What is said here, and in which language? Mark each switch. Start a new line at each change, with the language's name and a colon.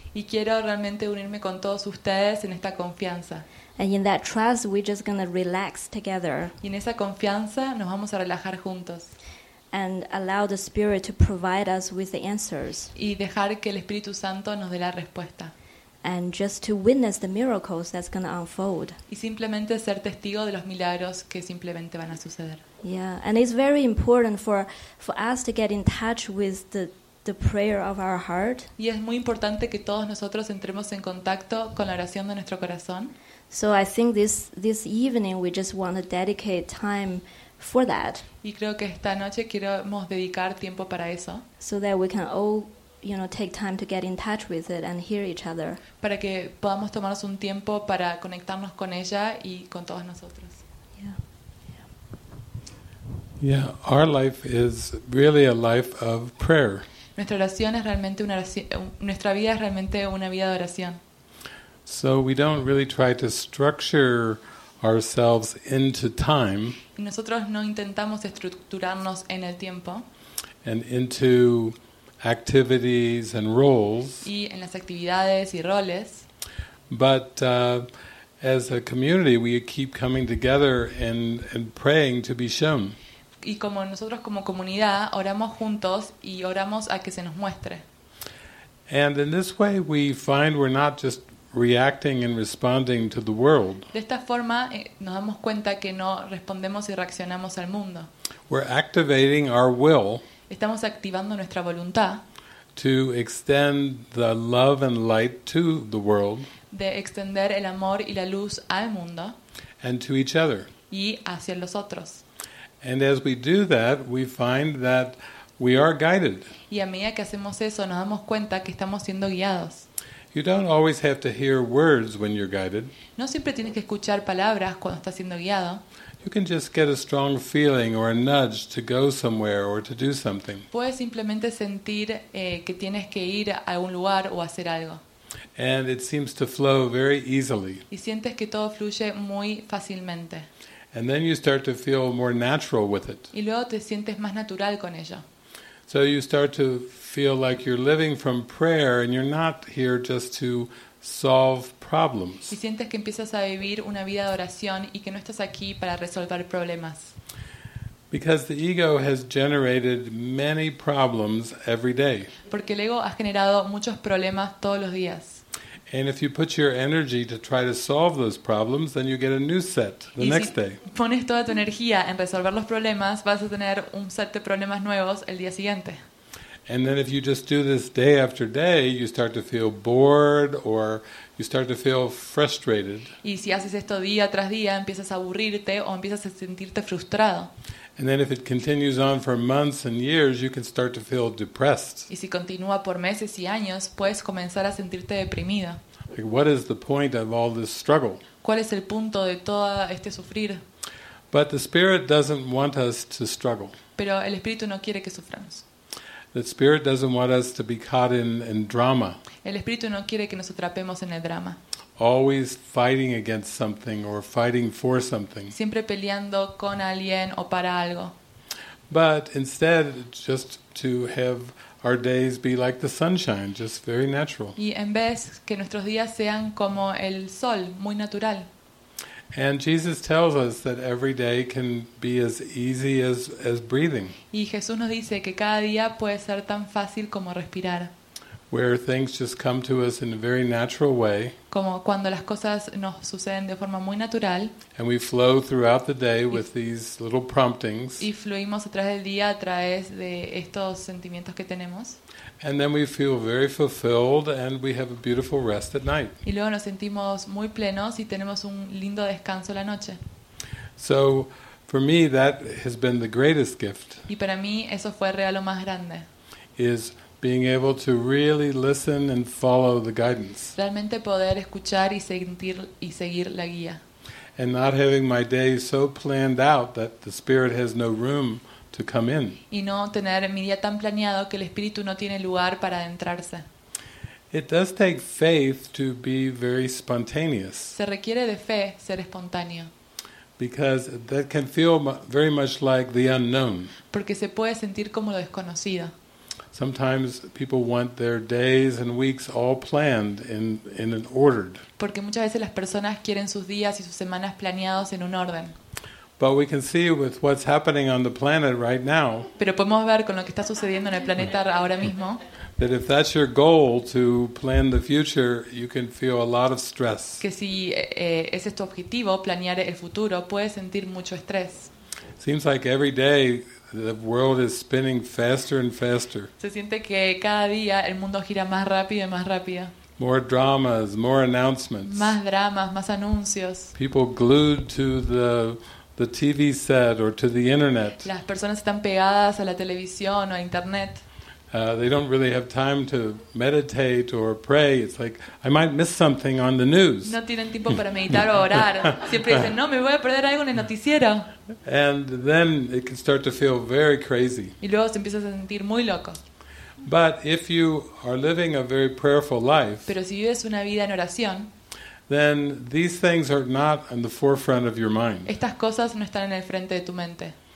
Spanish: Y quiero realmente unirme con todos ustedes en esta confianza.
English: And in that trust we're just going to relax together.
Spanish: Y en esa confianza nos vamos a relajar juntos.
English: And allow the Spirit to provide us with the answers.
Spanish: Y dejar que el Espíritu Santo nos dé la respuesta.
English: And just to witness the miracles that's going to unfold.
Spanish: Y simplemente ser testigo de los milagros que simplemente van a suceder.
English: Yeah, and it's very important for us to get in touch with the prayer of our heart.
Spanish: Y es muy importante que todos nosotros entremos en contacto con la oración de nuestro corazón.
English: So I think this evening we just want to dedicate time for that.
Spanish: Y creo que esta noche queremos dedicar tiempo para eso.
English: So that we can all, you know, take time to get in touch with it and hear each other.
Spanish: Para que podamos tomarnos un tiempo para conectarnos con ella y con todos nosotros.
English: Yeah. Yeah. Yeah, our life is really a life of prayer.
Spanish: Nuestra oración es realmente una oración, nuestra vida es realmente una vida de oración.
English: So we don't really try to structure ourselves into time.
Spanish: Y nosotros no intentamos estructurarnos en el tiempo.
English: And into activities and roles.
Spanish: Y en las actividades y roles.
English: But as a community, we keep coming together and praying to be shown.
Spanish: Y como nosotros como comunidad oramos juntos y oramos a que se nos muestre.
English: And in this way, we find we're not just reacting and responding to the world.
Spanish: De esta forma nos damos cuenta que no respondemos y reaccionamos al mundo.
English: We're activating our will.
Spanish: Estamos activando nuestra voluntad.
English: To extend the love and light to the world.
Spanish: De extender el amor y la luz al mundo.
English: And to each other.
Spanish: Y hacia los otros.
English: And as we do that, we find that we are guided.
Spanish: Y a medida que hacemos eso, nos damos cuenta que estamos siendo guiados.
English: You don't always have to hear words when you're guided.
Spanish: No siempre tienes que escuchar palabras cuando estás siendo guiado.
English: You can just get a strong feeling or a nudge to go somewhere or to do something.
Spanish: Puedes simplemente sentir que tienes que ir a algún lugar o hacer algo.
English: And it seems to flow very easily.
Spanish: Y sientes que todo fluye muy fácilmente.
English: And then you start to feel more natural with it.
Spanish: Y luego te sientes más natural con ello.
English: So you start to feel like you're living from prayer and you're not here just to solve problems.
Spanish: Si sientes que empiezas a vivir una vida de oración y que no estás aquí para resolver problemas.
English: Because the ego has generated many problems every day.
Spanish: Porque el ego ha generado muchos problemas todos los días.
English: And if you put your energy to try to solve those problems, then you get a new set the next day.
Spanish: Y si pones toda tu energía en resolver los problemas, vas a tener un set de problemas nuevos el día siguiente.
English: And then if you just do this day after day, you start to feel bored or you start to feel frustrated.
Spanish: Y si haces esto día tras día, empiezas a aburrirte o empiezas a sentirte frustrado.
English: And then if it continues on for months and years, you can start to feel depressed.
Spanish: Y si continúa por meses y años, puedes comenzar a sentirte deprimido.
English: Like, what is the point of all this struggle?
Spanish: ¿Cuál es el punto de todo este sufrir?
English: But the spirit doesn't want us to struggle.
Spanish: Pero el espíritu no quiere que suframos.
English: The spirit doesn't want us to be caught in drama.
Spanish: El espíritu no quiere que nos atrapemos en el drama.
English: Always fighting against something or fighting for something.
Spanish: Siempre peleando con alguien o para algo.
English: But instead, just to have our days be like the sunshine, just very natural.
Spanish: Y en vez que nuestros días sean como el sol, muy natural.
English: And Jesus tells us that every day can be as easy as breathing.
Spanish: Y Jesús nos dice que cada día puede ser tan fácil como respirar.
English: Where things just come to us in a very natural way.
Spanish: Como cuando las cosas nos suceden de forma muy natural.
English: And we flow throughout the day with these little promptings.
Spanish: Y fluimos a través del día a través de estos sentimientos que tenemos.
English: And then we feel very fulfilled and we have a beautiful rest at night.
Spanish: Y luego nos sentimos muy plenos y tenemos un lindo descanso la noche.
English: So for me that has been the greatest gift.
Spanish: Y para mí eso fue el regalo más grande.
English: Is being able to really listen and follow the guidance.
Spanish: Realmente poder escuchar y sentir y seguir la guía.
English: And not having my day so planned out that the spirit has no room to come in.
Spanish: Y no tener mi día tan planeado que el espíritu no tiene lugar para adentrarse.
English: It does take faith to be very spontaneous.
Spanish: Se requiere de fe ser espontáneo.
English: Because that can feel very much like the unknown.
Spanish: Porque se puede sentir como lo desconocido.
English: Sometimes people want their days and weeks all planned in an ordered.
Spanish: Porque muchas veces las personas quieren sus días y sus semanas planeados en un orden.
English: But we can see with what's happening on the planet right now.
Spanish: Pero podemos ver con lo que está sucediendo en el planeta ahora mismo.
English: That if that's your goal to plan the future, you can feel a lot of stress.
Spanish: Que si ese es tu objetivo, planear el futuro, puedes sentir mucho estrés.
English: Seems like every day the world is spinning faster and faster.
Spanish: Se siente que cada día el mundo gira más rápido y más rápido.
English: More dramas, more announcements.
Spanish: Más dramas, más anuncios.
English: People glued to the TV set or to the internet.
Spanish: Las personas están pegadas a la televisión o a internet.
English: They don't really have time to meditate or pray. It's like I might miss something on the news.
Spanish: No tienen tiempo para meditar o orar. Siempre dicen, "No, me voy a perder algo en el noticiero."
English: And then it can start to feel very crazy.
Spanish: Y luego se empieza a sentir muy loco.
English: But if you are living a very prayerful life,
Spanish: pero si vives una vida en oración,
English: then these things are not in the forefront of your mind.
Spanish: Estas cosas no están en el frente de tu mente.